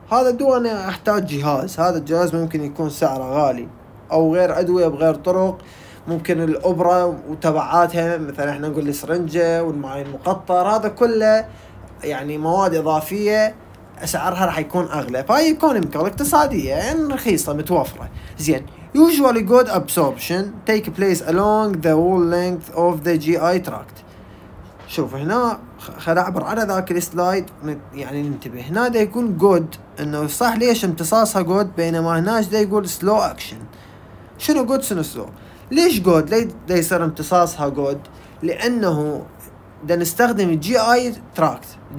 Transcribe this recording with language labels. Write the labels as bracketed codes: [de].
[ar] هذا الدواء انا احتاج جهاز، هذا الجهاز ممكن يكون سعره غالي، او غير ادويه بغير طرق، ممكن الابره وتبعاتها مثلا احنا نقول السرنجه والمعين المقطر، هذا كله يعني مواد اضافيه اسعارها راح يكون اغلى، فهي ايكونوميكال اقتصاديه يعني رخيصه متوفره. زين، [en] usually good absorption take place along the whole length of the GI tract. [ar] شوف هنا خل اعبر على ذاك السلايد، يعني ننتبه هنا ده يكون good، انه صح ليش امتصاصها good، بينما هناش ده يقول [en] slow action. [ar] شنو good شنو slow؟ ليش good ليه يصير امتصاصها good؟ لانه ده نستخدم GI tract.